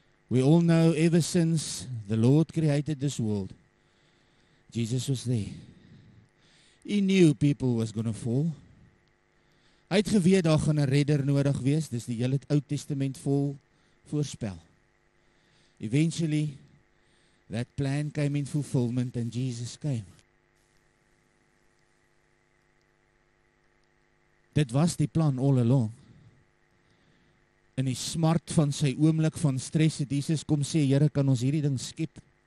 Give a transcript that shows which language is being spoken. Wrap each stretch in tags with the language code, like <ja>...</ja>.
<en>We all know ever since the Lord created this world, Jesus was there. He knew people was going to fall.</en> <af>Hy het geweet daar gaan 'n redder nodig wees, dis die hele Ou Testament vol voorspel.</af> <en>Eventually, that plan came in fulfillment and Jesus came.</en> <af>Dit was die plan</af> <en>all along.</en> <af>In die smart van sy oomblik van stres het Jesus kom sê, Here, kan ons hierdie ding skep?</af>